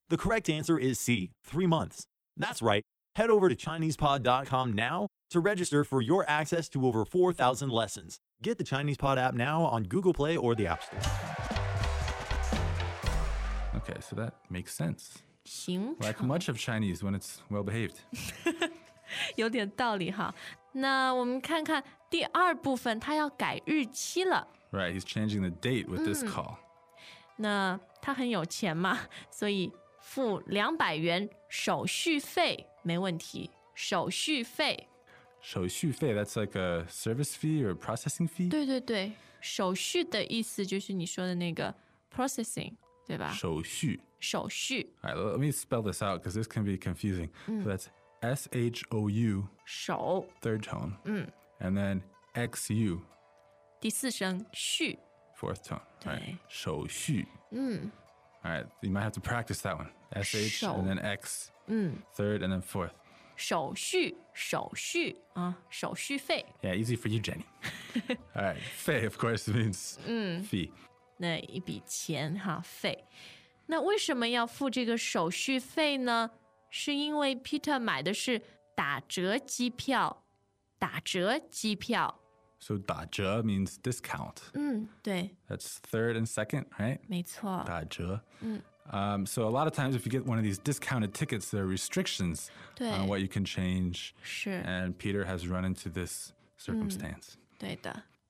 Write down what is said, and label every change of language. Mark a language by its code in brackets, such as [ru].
[en] The correct answer is C, 3 months. That's right. Head over to ChinesePod.com now. To register for your access to over 4,000 lessons, get the Chinese Pod app now on Google Play or the App Store. Okay, so that makes sense. [zh] 行程 [en] like much of Chinese when it's well behaved. [zh] 有点道理哈。那我们看看第二部分，他要改日期了。 [en] Right, he's changing the date with this call. [zh] 那他很有钱嘛，所以付200元手续费没问题。手续费。 [en] 手续费 that's like a service fee or processing fee? [zh] 对对对手续的意思就是你说的那个 processing, 对吧手续手续 [en] All right, let me spell this out because this can be confusing.、嗯、 so that's S-H-O-U, [zh] 手 [en] third tone,、嗯、 and then X-U, [zh] 第四声续 [en] fourth tone, [zh] 对、 [en] right. 手续、嗯、 All right, you might have to practice that one, S-H and then X,、嗯、 third and then fourth. [zh] 手续手续、手续费 [en] Yeah, easy for you, Jenny. Alright, 费 of course means fee、 [zh] 嗯、那一笔钱哈费那为什么要付这个手续费呢是因为 Peter 买的是打折机票打折机票 [en] So 打折 means discount [zh] 嗯，对 [en] That's third and second, right? [zh] 没错打折嗯 [en] So a lot of times if you get one of these discounted tickets, there are restrictions on what you can change. [zh] 是 [en] And Peter has run into this circumstance.、 [zh] 嗯、对的